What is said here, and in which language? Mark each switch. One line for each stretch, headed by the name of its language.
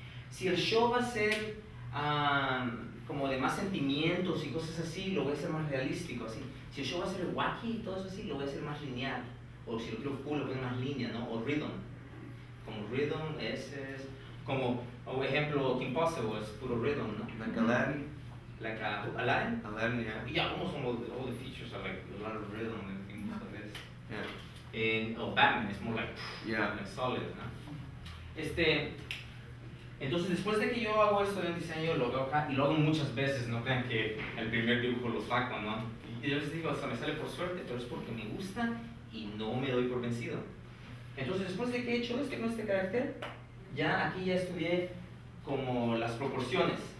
Spanish: Si el show va a ser como de más sentimientos y cosas así, lo voy a hacer más realístico, así. Si el show va a ser wacky y todo eso así, lo voy a hacer más lineal. O si lo quiero cool, lo voy a hacer más línea, ¿no? O rhythm. Como rhythm, ese es... Como, por ejemplo, Kim Possible es puro rhythm, ¿no?
English: Like Aladdin. Like Aladdin? Aladdin, yeah. Yeah, almost all the features are like a lot of rhythm and things like this. Yeah. Batman is more like... Yeah. Like solid, ¿no?
Spanish: Entonces, después de que yo hago esto en diseño, lo veo acá y lo hago muchas veces, no crean que el primer dibujo lo saco, ¿no? Y yo les digo, o sea, me sale por suerte, pero es porque me gusta y no me doy por vencido. Entonces, después de que he hecho este con este carácter, ya aquí ya estudié como las proporciones.